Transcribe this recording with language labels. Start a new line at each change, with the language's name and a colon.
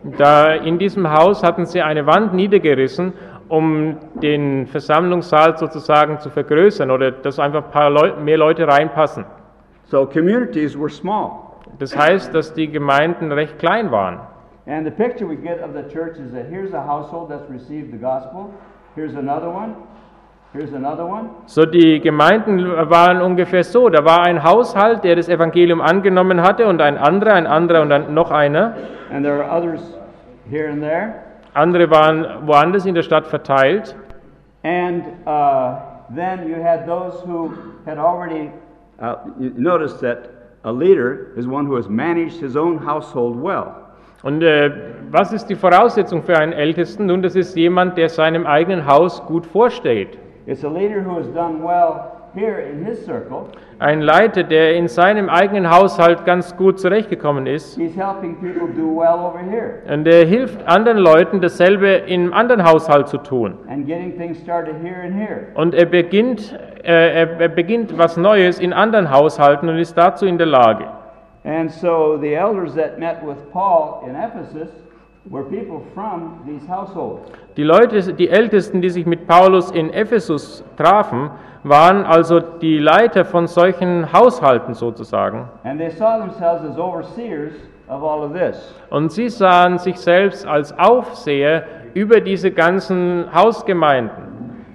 German: Da in diesem Haus hatten sie eine Wand niedergerissen, um den Versammlungssaal sozusagen zu vergrößern oder dass einfach ein paar mehr Leute reinpassen.
English: So communities were small.
German: Das heißt, dass die Gemeinden recht klein waren.
English: And the picture we get of the church is that here's a household that's received the gospel. Here's another one. Here's another one.
German: So die Gemeinden waren ungefähr so. Da war ein Haushalt, der das Evangelium angenommen hatte, und ein anderer und dann noch einer.
English: And there are others here and there.
German: Andere waren woanders in der Stadt verteilt.
English: And then you had those who had already noticed that a leader is one who has managed his own household well.
German: Und was ist die Voraussetzung für einen Ältesten? Nun, das ist jemand, der seinem eigenen Haus gut vorsteht.
English: It's a leader who has done well here in his circle.
German: Ein Leiter, der in seinem eigenen Haushalt ganz gut zurechtgekommen ist.
English: He's helping people do well over here.
German: Und er hilft anderen Leuten, dasselbe im anderen Haushalt zu tun.
English: And getting things started here and here.
German: Und er beginnt was Neues in anderen Haushalten und ist dazu in der Lage.
English: And so the elders that met with Paul in Ephesus were people from these households.
German: Die Ältesten, die sich mit Paulus in Ephesus trafen, waren also die Leiter von solchen Haushalten sozusagen.
English: And they saw themselves as overseers of all of this.
German: Und sie sahen sich selbst als Aufseher über diese ganzen Hausgemeinden.